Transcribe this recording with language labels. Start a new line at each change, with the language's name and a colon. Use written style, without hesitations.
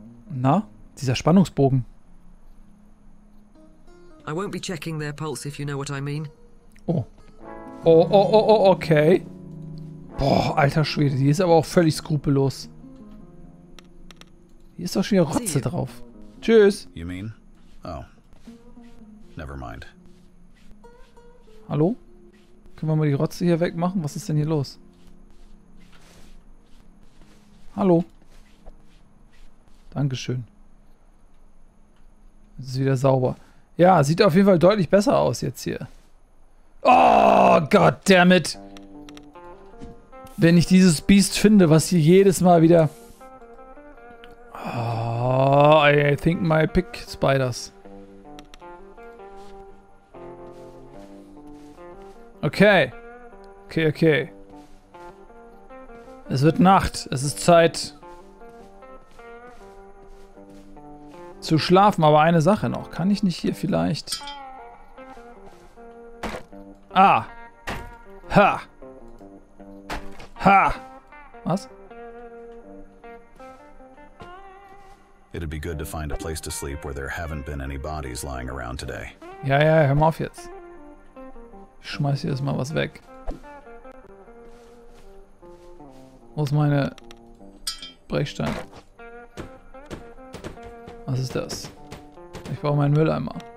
German: Na, dieser Spannungsbogen.
English: I won't be checking their pulse, if you know what I mean. Oh. Oh, okay.
German: Boah, alter Schwede, die ist aber auch völlig skrupellos. Hier ist doch schon wieder Rotze drauf. Tschüss.
English: You mean? Oh. Never mind.
German: Hallo? Können wir mal die Rotze hier wegmachen? Was ist denn hier los? Hallo? Dankeschön. Es ist wieder sauber. Ja, sieht auf jeden Fall deutlich besser aus jetzt hier.
English: Oh, goddammit.
German: Wenn ich dieses Biest finde, was hier jedes Mal wieder...
English: Oh, I think my pick spiders.
German: Okay. Es wird Nacht. Es ist Zeit... zu schlafen, aber eine Sache noch. Kann ich nicht hier vielleicht... Ah! Ha! Ha! Was?
English: It'd be good to find a place to sleep where there haven't been any bodies lying around today.
German: Ja, hör mal auf jetzt. Ich schmeiß hier erstmal was weg. Wo ist meine... Brechstein? Was ist das? Ich brauche meinen Mülleimer.